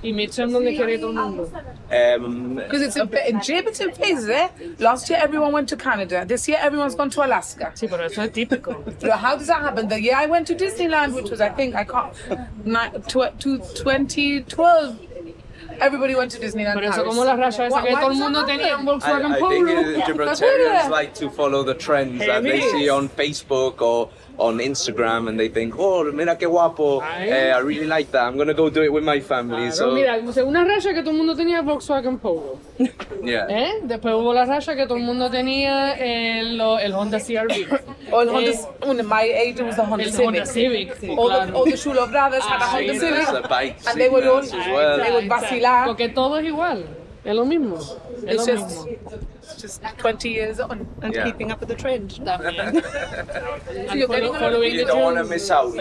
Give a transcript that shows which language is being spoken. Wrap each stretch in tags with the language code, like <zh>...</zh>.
<es>Y midterm, ¿dónde quiere todo el mundo?</es> <en>Because it's in Jib, it's in phases, eh? Last year, everyone went to Canada. This year, everyone's gone to Alaska.</en> <es>Sí, pero eso es típico.</es> <en>So how does that happen? The year I went to Disneyland, which was, I think, 2012, everybody went to Disneyland.</en> <es>Pero eso como la raza esa que todo el mundo tenía un Volkswagen Polo.</es> <en>I think Gibraltarians like to follow the trends that they see on Facebook or on Instagram, and they think, oh, mira que guapo, I really like that, I'm gonna go do it with my family.</en> <es>Claro, so mira, una raya que todo el mundo tenía Volkswagen Polo.</es> <en>Yeah.</en> <es>Después hubo la raya que todo el mundo tenía el Honda CR-V.</es> <en>My age, it was the Honda</en> <es>el</es> <en>Civic. Honda Civic, all the Shulo brothers had a Honda Civic. And they were all, well. They would vacilar.</en> <es>Porque todo es igual, es lo mismo.</es> <en>It's just 20 years on and keeping up with the trend. So you're following you don't want to miss out.</en>